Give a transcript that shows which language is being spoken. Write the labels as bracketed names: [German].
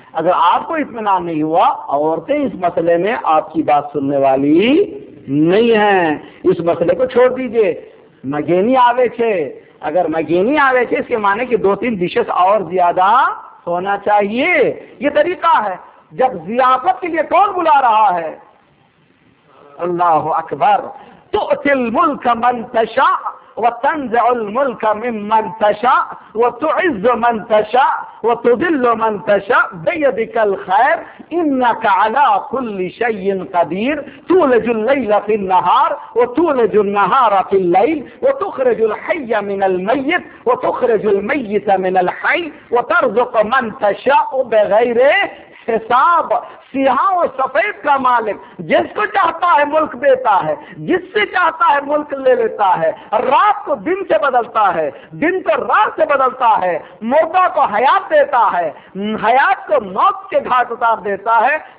[Urdu] اگر آپ کو اطمینان نہیں ہوا، عورتیں اس مسئلے میں آپ کی بات سننے والی نہیں ہیں، اس مسئلے کو چھوڑ دیجئے. [Gujarati] مگینی آوے چھے، اگر مگینی آوے چھے [Urdu] اس کے معنی کہ دو تین ڈشز اور زیادہ ہونا چاہیے. یہ طریقہ ہے. جب ضیافت کے لیے کون بلا رہا ہے؟ اللہ اکبر. [Arabic] تؤتی الملک من تشاء وتنزع الملک ممن تشاء وتعز من تشاء وتذل من تشاء بيدك الخير انك على كل شيء قدير تولج الليل في النهار وتولج النهار في الليل وتخرج الحي من الميت وتخرج الميت من الحي وترزق من تشاء بغير حساب. [Urdu] سیاہوں اور سفید کا مالک جس کو چاہتا ہے ملک دیتا ہے، جس سے چاہتا ہے ملک لے لیتا ہے. رات کو دن سے بدلتا ہے، دن کو رات سے بدلتا ہے. مردہ کو حیات دیتا ہے، حیات کو موت کے گھاٹ اتار دیتا ہے.